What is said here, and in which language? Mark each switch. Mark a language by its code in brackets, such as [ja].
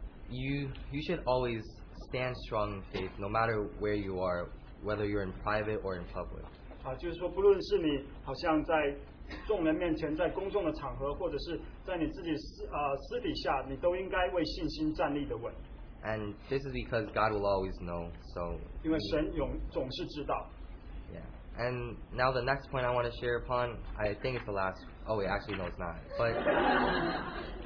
[en] you should always stand strong in faith, no matter where you are, whether you're in private or in public. [zh] 就是说，不论是你好像在众人面前、在公众的场合，或者是在你自己私底下，你都应该为信心站立的稳。 [en] And this is because God will always know. So. [zh] 因为神总是知道。 [en] Yeah. And now the next point I want to share upon, I think it's the last. Oh wait, actually no, it's not. But.